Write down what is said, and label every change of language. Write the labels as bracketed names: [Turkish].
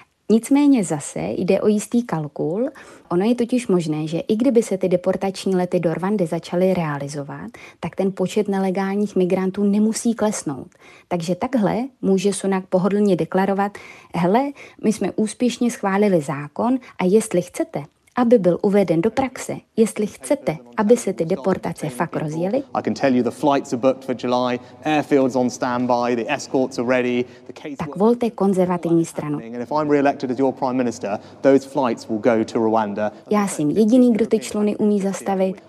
[Czech] Nicméně zase jde o jistý kalkul. Ono je totiž možné, že i kdyby se ty deportační lety do Rwandy začaly realizovat, tak ten počet nelegálních migrantů nemusí klesnout. Takže takhle může Sunak pohodlně deklarovat, hele, my jsme úspěšně schválili zákon a jestli chcete, aby byl uveden do praxe, jestli chcete, aby se ty deportace fakt rozjeli. [English] I can tell you the flights are booked for July, airfields on standby, the escorts are ready. [Czech] Tak volte konzervativní stranu. [English] And if I'm re-elected as your prime minister, those flights will go to Rwanda. [Czech] Já jsem jediný, kdo ty čluny umí zastavit.